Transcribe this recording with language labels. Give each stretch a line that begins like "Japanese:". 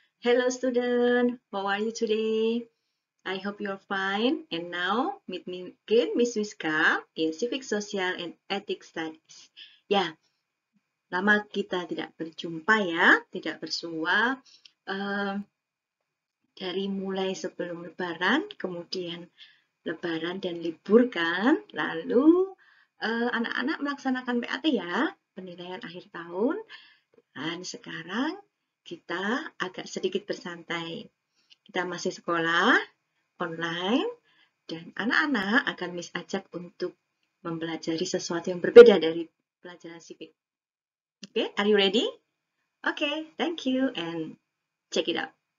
English: Hello student, how are you today? I hope you're fine. And now meet me again, Ms.Wiska in Civic, Social and Ethics Studies.
Indonesian: Ya, lama kita tidak berjumpa ya, tidak bersua. Dari mulai sebelum Lebaran, kemudian Lebaran dan libur kan, lalu anak-anak melaksanakan PAT ya. Penilaian akhir tahun, dan sekarang kita agak sedikit bersantai. Kita masih sekolah, online, dan anak-anak akan Miss ajak untuk mempelajari sesuatu yang berbeda dari pelajaran Civic.
English: Oke, okay, are you ready? Oke, okay, thank you, and check it out.